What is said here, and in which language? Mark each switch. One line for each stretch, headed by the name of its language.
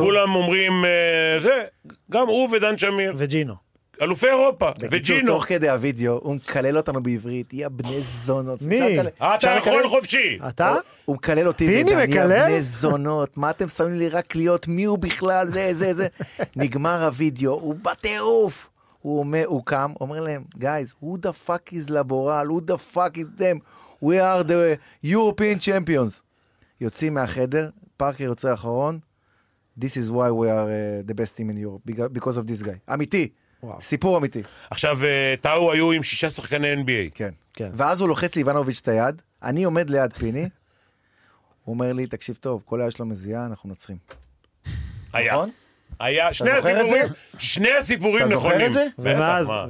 Hebrew: כי כולם אומרים, זה, גם הוא ודן שמיר. וג'ינו. אלופי אירופה, וג'ינו. תוך כדי הוידאו, הוא מקלל אותנו בעברית, יא בני זונות. מי? אתה יכול חופשי. אתה? הוא מקלל אותי. פיני מקלל? יא בני זונות, מה אתם שמים לי רק להיות, מי הוא בכלל, זה, זה, זה. נגמר הוידאו, הוא בטירוף. הוא קם, אומר להם,
English: guys, who the fuck is laboral, who the fuck is them, we are the European champions.
Hebrew: יוצאים מהחדר, פארקר יוצא אחרון,
English: this is why we are the best team in Europe, because of this guy.
Hebrew: אמיתי. סיפור אמיתי. עכשיו, טאו היו עם 6 שחקני NBA. כן. ואז הוא לוחץ לאיבנוביץ' את היד, אני עומד ליד פיני, הוא אומר לי, תקשיב טוב, כל היה שלו מזיעה, אנחנו נצחים. היה. היה, שני הסיפורים, שני הסיפורים נכונים. אתה זוכר את זה?